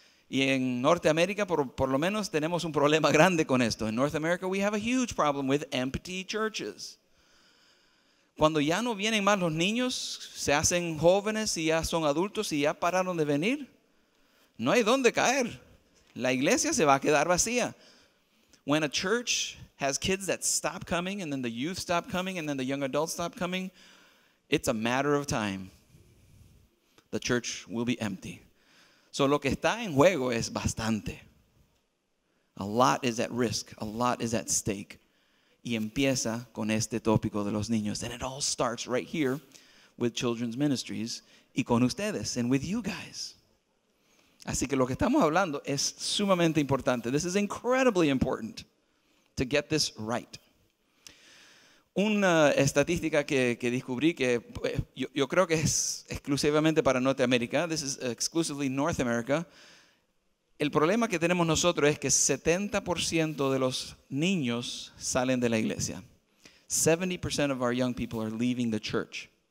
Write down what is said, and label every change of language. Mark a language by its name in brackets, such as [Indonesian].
[Spanish] Y en Norteamérica, por lo menos, tenemos un problema grande con esto. [English] In North America, we have a huge problem with empty churches. [Spanish] Cuando ya no vienen más los niños, se hacen jóvenes y ya son adultos y ya pararon de venir, no hay dónde caer. La iglesia se va a quedar vacía. [English] When a church has kids that stop coming and then the youth stop coming and then the young adults stop coming, it's a matter of time. The church will be empty. [Spanish] So lo que está en juego es bastante. [English] A lot is at risk. A lot is at stake. [Spanish] Y empieza con este tópico de los niños. [English] And it all starts right here with children's ministries [Spanish] y con ustedes [English] and with you guys. [Spanish] Así que lo que estamos hablando es sumamente importante. [English] This is incredibly important to get this right. [Spanish] Una estadística que descubrí que yo creo que es exclusivamente para Norteamérica. [English] This is exclusively North America. [Spanish] El problema que tenemos nosotros es que 70% de los niños salen de la iglesia. [English] 70% of our young people are leaving the church.